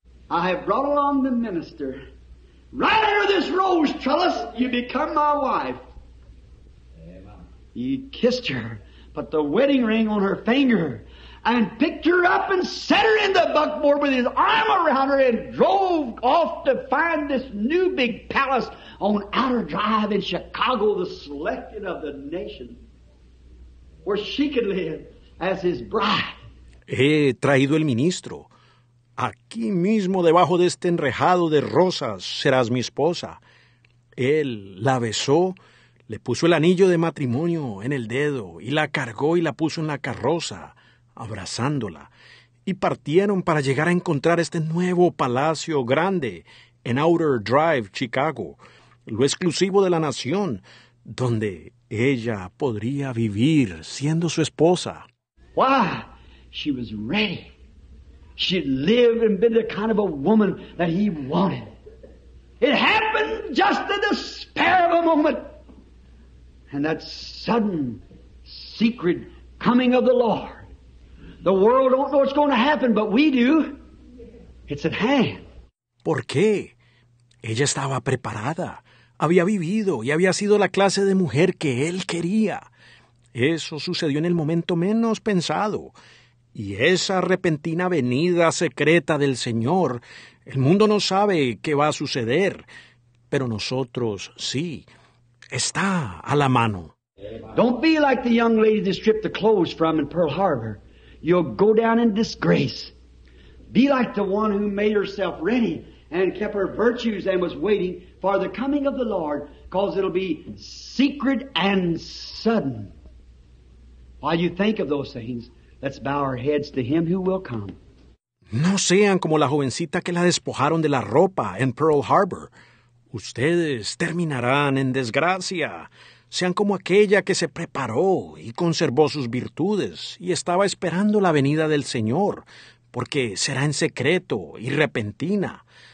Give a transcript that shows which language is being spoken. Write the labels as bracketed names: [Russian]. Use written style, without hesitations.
[English] I have brought along the minister. Right under this rose trellis, you become my wife. He kissed her, put the wedding ring on her finger, and picked her up and set her in the buckboard with his arm around her and drove off to find this new big palace on Outer Drive in Chicago, the selected of the nation. Where she could live as his bride. [Spanish] He traído el ministro. Aquí mismo, debajo de este enrejado de rosas, serás mi esposa. Él la besó, le puso el anillo de matrimonio en el dedo y la cargó y la puso en la carroza, abrazándola. y partieron para llegar a encontrar este nuevo palacio grande en Outer Drive, Chicago, lo exclusivo de la nación, donde ella podría vivir siendo su esposa. [English] Wow, she was ready. She'd live and be the kind of a woman that he wanted. It happened just in the spare of a moment. And that sudden, secret coming of the Lord. The world don't know what's going to happen, but we do. It's at hand. [Spanish] ¿Por qué? Ella estaba preparada. Había vivido y había sido la clase de mujer que él quería. Eso sucedió en el momento menos pensado. Y esa repentina venida secreta del Señor, el mundo no sabe qué va a suceder, pero nosotros sí. Está a la mano. [English] Don't be like the young lady they stripped the clothes from in Pearl Harbor. You'll go down in disgrace. Be like the one who made herself ready and kept her virtues and was waiting for the coming of the Lord, because it'll be secret and sudden. While you think of those things, let's bow our heads to him who will come. [Spanish] No sean como la jovencita que la despojaron de la ropa en Pearl Harbor. Ustedes terminarán en desgracia. Sean como aquella que se preparó y conservó sus virtudes y estaba esperando la venida del Señor, porque será en secreto y repentina.